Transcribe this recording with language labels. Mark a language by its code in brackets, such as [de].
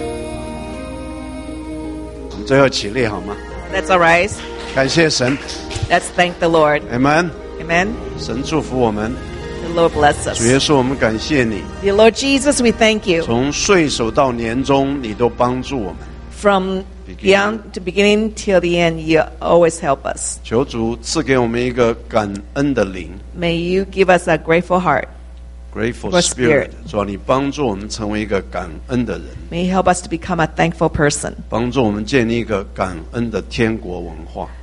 [zh] 我们最后起立好吗？ [en] Let's arise。 [zh] 感谢神。 [en] Let's thank the Lord。 Amen。 Amen。 [zh] 神祝福我们。 [en] The Lord bless us。 [zh] 主耶稣，我们感谢你。 [en] Dear Lord Jesus, we thank you。 [zh] 从岁首到年终，你都帮助我们。 [en] From beyond to beginning till the end, you always help us. [zh] 求主赐给我们一个感恩的灵。 [en] May you give us a grateful heart. Grateful spirit. [zh] 主啊，你帮助我们成为一个感恩的人。 [en] May you help us to become a thankful person. [zh] 帮助我们建立一个感恩的天国文化。